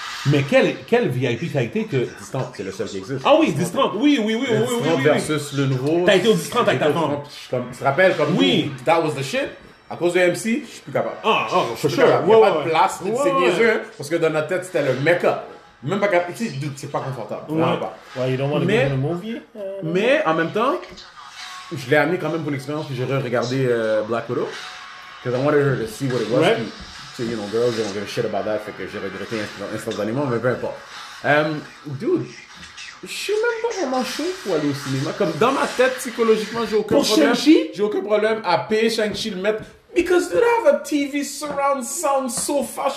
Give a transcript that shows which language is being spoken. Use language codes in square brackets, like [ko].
[fr] Mais quel VIP ça a été que. Distant, c'est le seul qui existe. Ah oui, Distant. Distant versus le nouveau. T'as été au Distant avec ta femme. Tu te rappelles comme. Oui. [en] That was the shit. [fr] À cause de MC, je suis plus capable. [en] Ah, for sure. [fr] Il n'y a pas de place. C'est niaiseux. Parce que dans notre tête, c'était le mecca. Même pas capable. C'est pas confortable. Vraiment pas. [en] Ouais, you don't want to be in the movie. [fr] Mais en même temps. Je l'ai amené quand même pour l'expérience puis j'ai regardé Black Widow [en] because I wanted her to see what it was. Right. Puis, you know, girls, they don't give a shit about that. [fr] Fait que j'ai regretté instantanément, mais peu importe. Dude, je suis même pas vraiment chaud pour aller au cinéma. Comme dans ma tête, psychologiquement, j'ai aucun problème. Pour Shang-Chi? J'ai aucun problème à payer Shang-Chi le mettre. [en] Because dude, I have a TV surround sound so fast.